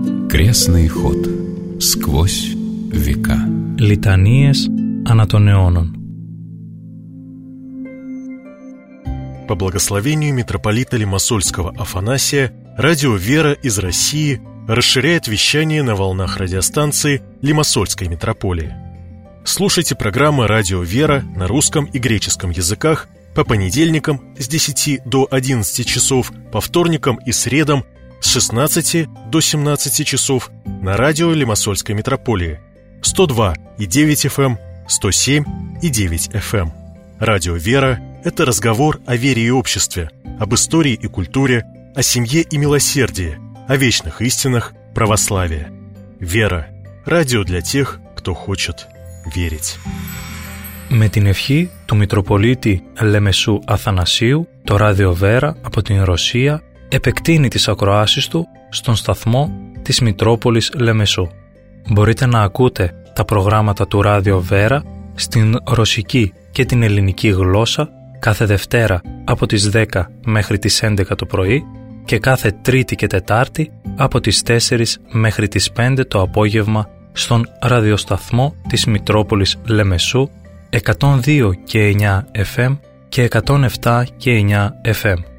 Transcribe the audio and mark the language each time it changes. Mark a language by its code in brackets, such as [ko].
[ru] Крестный ход сквозь века. [el] Λιτανίες ανά των αιώνων. [ru] По благословению митрополита Лимассольского Афанасия, радио «Вера» из России расширяет вещание на волнах радиостанции Лимассольской митрополии. Слушайте программы «Радио «Вера» на русском и греческом языках по понедельникам с 10 до 11 часов, по вторникам и средам с 16 до 17 часов на радио Лимассольской митрополии 102.9 FM, 107.9 FM. Радио «Вера» – это разговор о вере и обществе, об истории и культуре, о семье и милосердии, о вечных истинах православия. «Вера» – радио для тех, кто хочет верить. [el] Με την ευχή του Μητροπολίτη Λεμεσού Αθανασίου, το Ράδιο Βέρα από την Ρωσία επεκτείνει τις ακροάσεις του στον σταθμό της Μητρόπολης Λεμεσού. Μπορείτε να ακούτε τα προγράμματα του Ράδιο Βέρα στην ρωσική και την ελληνική γλώσσα κάθε Δευτέρα από τις 10 μέχρι τις 11 το πρωί και κάθε Τρίτη και Τετάρτη από τις 4 μέχρι τις 5 το απόγευμα στον ραδιοσταθμό της Μητρόπολης Λεμεσού 102 και 9 FM και 107 και 9 FM.